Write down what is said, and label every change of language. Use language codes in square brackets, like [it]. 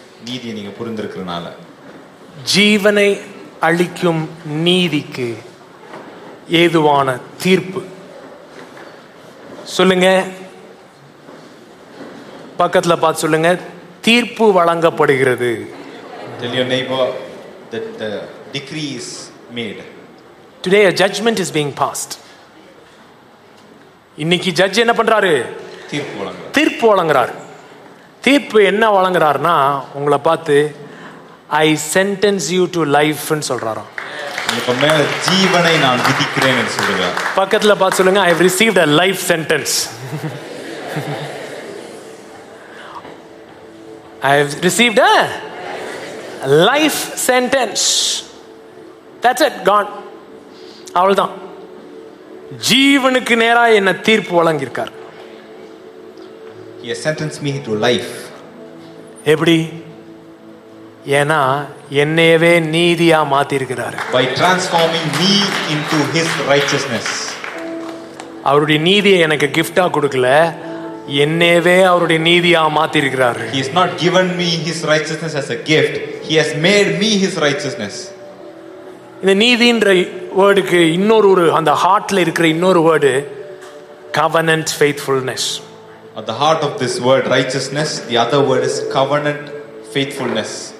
[ta] நீதியை நீங்க புரிந்திருக்கிறதுனால ஜீவனை அளிக்கும் நீதிக்கு ஏதுவான தீர்ப்பு சொல்லுங்க, பக்கத்துல பார்த்து சொல்லுங்க, தீர்ப்பு வழங்கப்படுகிறது. [en] Tell your neighbor that the decree is made. Today a judgment is being passed. [ta] இன்னைக்கு ஜட்ஜ் என்ன பண்றாரு, தீர்ப்பு வழங்குறாரு. தீர்ப்பு என்ன வழங்குறாருனா, உங்களை பார்த்து [en] I sentence you to life [ta] னு சொல்றாராம். ஜீவனை நான் விதிக்கிறேன் னு சொல்றாரு. பக்கத்துல பார்த்து சொல்லுங்க, [en] I have received a life sentence. I have received a life sentence. That's it, gone. [ta] அவள்தான் ஜீவனுக்கு நேரா என்ன தீர்ப்பு வழங்கியிருக்கார். [en] He has sentenced me to life. [ta] எப்படி? ஏனா என்னையவே நீதியா மாத்திருக்கிறார். [en] By transforming me into his righteousness. [ta] அவருடைய நீதியை எனக்கு கிஃப்டா கொடுக்கல, என்னையவே அவருடைய நீதியா மாத்திருக்கிறார். [en] He has not given me his righteousness as a gift. He has made me his righteousness. [ta] இந்த நீதின்ற வேர்டுக்கு இன்னொரு ஒரு அந்த ஹார்ட்ல இருக்கிற இன்னொரு word covenant faithfulness. [en] At the heart of this word righteousness, the other word is covenant faithfulness.